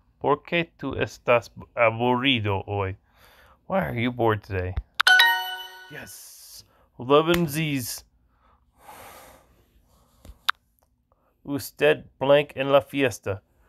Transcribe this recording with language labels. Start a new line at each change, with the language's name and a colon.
Spanish: ¿Por qué tú estás aburrido hoy?
English: Why are you bored today? Yes! 11 Z's.
Spanish: Usted blank en la fiesta.